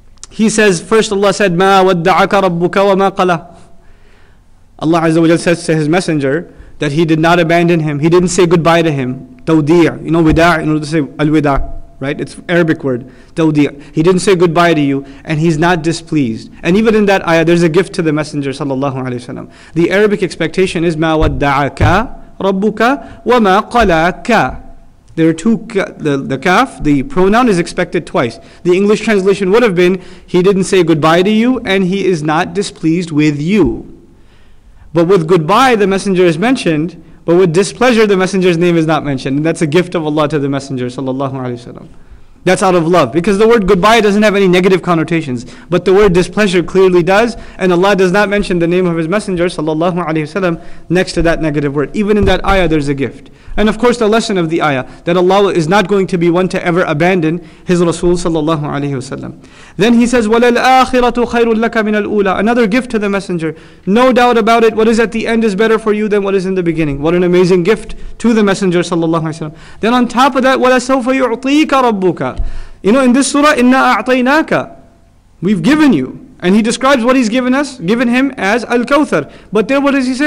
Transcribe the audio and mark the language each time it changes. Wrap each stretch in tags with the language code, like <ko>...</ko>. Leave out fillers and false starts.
<en>He says, first Allah said,</en> <ar>مَا وَدَّعَكَ رَبُّكَ وَمَا قَلَى.</ar> <en>Allah Azza wa Jalla says to his messenger that he did not abandon him. He didn't say goodbye to him. Tawdi'. You know, wida', in order to say al-wida', right? It's Arabic word. Tawdi'. He didn't say goodbye to you, and he's not displeased. And even in that ayah, there's a gift to the messenger, sallallahu alayhi wa sallam. The Arabic expectation is,</en> <ar>مَا وَدَّعَكَ رَبُّكَ وَمَا قَلَكَ.</ar> <en>There are two, the kaf, the pronoun is expected twice. The English translation would have been, he didn't say goodbye to you, and he is not displeased with you. But with goodbye, the messenger is mentioned, but with displeasure, the messenger's name is not mentioned. And that's a gift of Allah to the messenger, sallallahu alayhi wa sallam. That's out of love, because the word goodbye doesn't have any negative connotations. But the word displeasure clearly does, and Allah does not mention the name of his messenger, sallallahu alayhi wa sallam, next to that negative word. Even in that ayah, there's a gift. And of course, the lesson of the ayah, that Allah is not going to be one to ever abandon his Rasul, sallallahu alayhi wa sallam. Then he says,</en> <ar>وَلَا الْآخِرَةُ خَيْرٌ لَكَ مِنَ الْأُولَى.</ar> <en>Another gift to the messenger. No doubt about it, what is at the end is better for you than what is in the beginning. What an amazing gift to the messenger, sallallahu alayhi wa sallam. Then on top of that,</en> <ar>وَلَا سَوْفَ يُعْطِيكَ رَبُّكَ.</ar> <en>You know, in this surah,</en> <ar>إِنَّا أَعْطَيْنَاكَ.</ar> <en>We've given you. And he describes what he's given him as Al-Kawthar. But then what does he say?</en>